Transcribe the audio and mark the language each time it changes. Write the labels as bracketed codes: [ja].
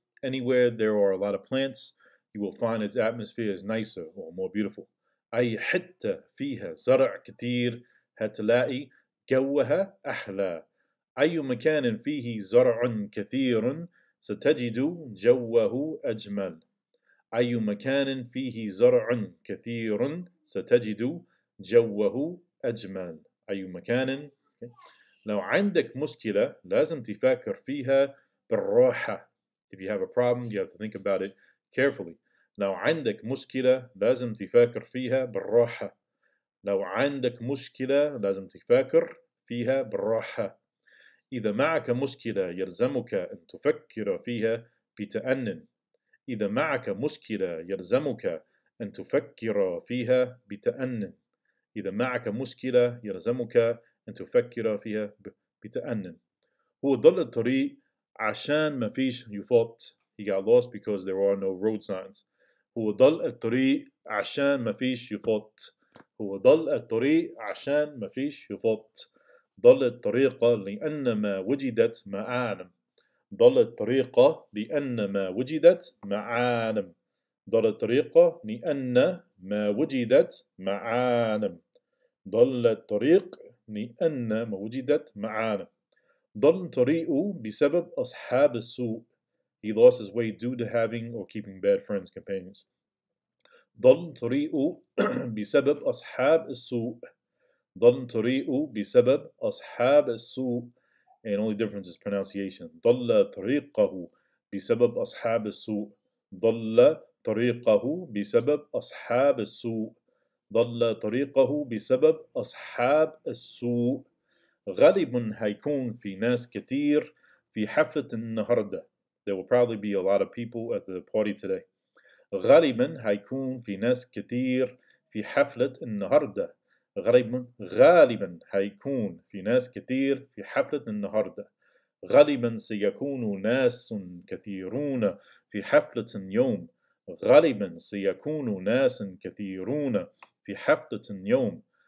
[en] Anywhere there are a lot of plants, you will find its atmosphere is nicer or more beautiful. [ar] أي حتة فيها زرع كثير هتلاقي جوها أحلى. أي مكان فيه زرع كثير ستجد جوه أجمل. أي مكان فيه زرع كثير ستجد جوه أجمل. أي مكان. لو عندك مشكلة لازم تفكر فيها بالراحة. [en] If you have a problem, you have to think about it carefully. [ar] لو عندك مشكلة لازم تفكر فيها بالراحة. لو عندك مشكلة لازم تفكر فيها بالراحة. إذا معك مشكلة يلزمك أن تفكر فيها بتأنن. إذا معك مشكلة يلزمك أن تفكر فيها بتأنن. إذا معك مشكلة يلزمك أن تفكر فيها بتأنن. هو ضل الطريق عشان ما فيش يفوت. [en] He got lost because there are no road signs. [ar] هو ضل الطريق عشان ما فيش يفوت. هو ضل الطريق عشان ما فيش يفوت. ضل الطريق لأن ما وجدت معالم. ضل الطريق لأن ما وجدت معالم. ضل الطريق لأن ما وجدت معالم. ضل الطريق لأن ما وجدت معالم. ضل الطريق بسبب أصحاب السوء. [en] He lost his way due to having or keeping bad friends, companions. [ar] ضل طريق بسبب أصحاب السوء. ضل طريق بسبب أصحاب السوء. [en] And only difference is pronunciation. [ar] ضل طريقه بسبب أصحاب السوء. ضل طريقه بسبب أصحاب السوء. ضل طريقه بسبب أصحاب السوء. غالبا هيكون في ناس كتير في حفلة النهاردة. [en] There will probably be a lot of people at the party today. [ar] غالباً هيكون في ناس كتير في حفلة النهاردة. غالباً هيكون في ناس كتير في حفلة النهاردة. غالباً سيكون ناس كثيرون في حفلة اليوم. غالباً سيكون ناس كثيرون في حفلة اليوم.